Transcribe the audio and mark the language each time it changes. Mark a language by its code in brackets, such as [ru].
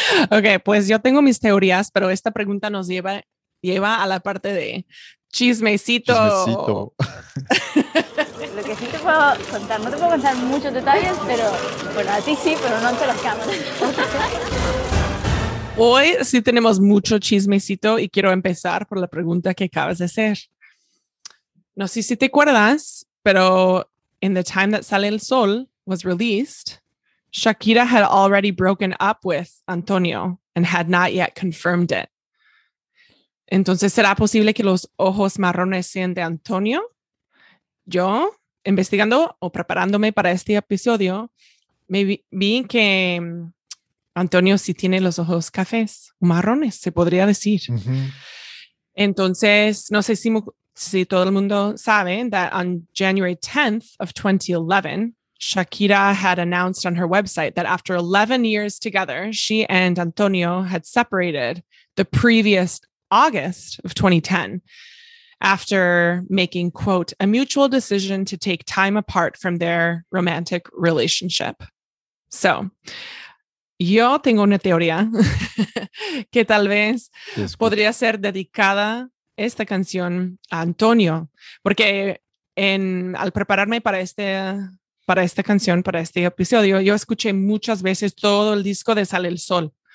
[es] Ok, pues yo tengo mis teorías, pero esta pregunta nos lleva a la parte de chismecito. Chismecito. Lo que sí te puedo contar, no te puedo contar muchos detalles, pero bueno, a ti sí, pero no ante las cámaras. Hoy sí tenemos mucho chismecito y quiero empezar por la pregunta que acabas de hacer. No sé si te acuerdas, pero [en] In the Time That Sale el Sol was released, Shakira had already broken up with Antonio and had not yet confirmed it. [es] Entonces, ¿será posible que los ojos marrones sean de Antonio? Yo, investigando o preparándome para este episodio, vi que Antonio sí tiene los ojos cafés, marrones, se podría decir. Uh-huh. Entonces, no sé si todo el mundo sabe [en] that on January 10th of 2011, Shakira had announced on her website that after 11 years together, she and Antonio had separated the previous August of 2010 after making, quote, a mutual decision to take time apart from their romantic relationship. [es] So, yo tengo una teoría que tal vez podría ser dedicada esta canción a Antonio, porque al prepararme para este episodio, yo escuché muchas veces todo el disco de Sale el Sol.